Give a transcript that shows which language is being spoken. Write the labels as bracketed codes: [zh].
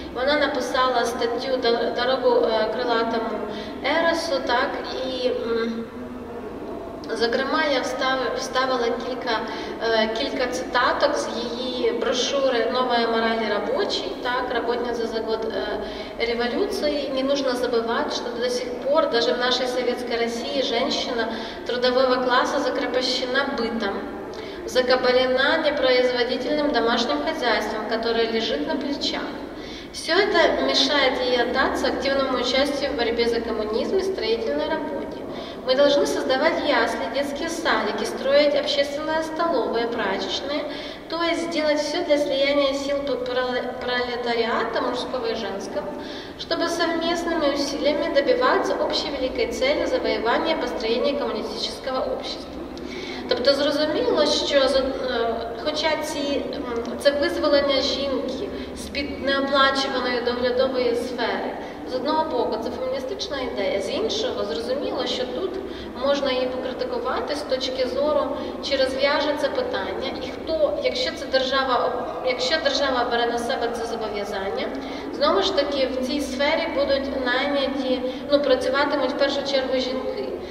[uk] Вона написала статтю «Дорогу крилатому Еросу», так? І, зокрема, я вставила кілька цитаток з її брошури «Нова мораль рабочий», так, «Роботня за завод революції». [ru] Не нужно забывать, что до сих пор, даже в нашей Советской России, женщина трудового класса закрепощена бытом, закабалена непроизводительным домашним хозяйством, которое лежит на плечах. Все это мешает ей отдаться активному участию в борьбе за коммунизм и строительной работе. Мы должны создавать ясли, детские садики, строить общественные столовые, прачечные, то есть сделать все для слияния сил пролетариата, мужского и женского, чтобы совместными усилиями добиваться общей великой цели завоевания и построения коммунистического общества. [uk] Тобто зрозуміло, що хоча це визволення жінки з-під неоплачуваної доглядової сфери, з одного боку, це феміністична ідея, з іншого, зрозуміло, що тут можна її покритикувати з точки зору, чи розв'яже це питання, і хто, якщо це держава, якщо держава бере на себе це зобов'язання, знову ж таки, в цій сфері будуть найняті, ну, працюватимуть в першу чергу жінки.